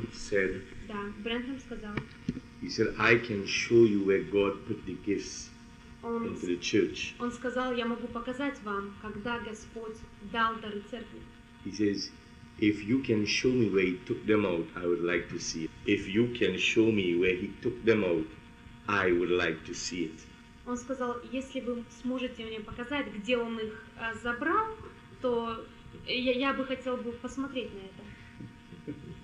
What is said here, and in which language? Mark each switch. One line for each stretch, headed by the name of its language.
English: Brenham said, I can show you where God put the gifts into the church.
Russian: Он сказал, я могу показать вам, когда Господь дал дары церкви.
English: He says, if you can show me where he took them out, I would like to see it. If you can show me where he took them out, I would like to see it.
Russian: Он сказал, если вы сможете мне показать, где он их забрал, то я бы хотел бы посмотреть на это.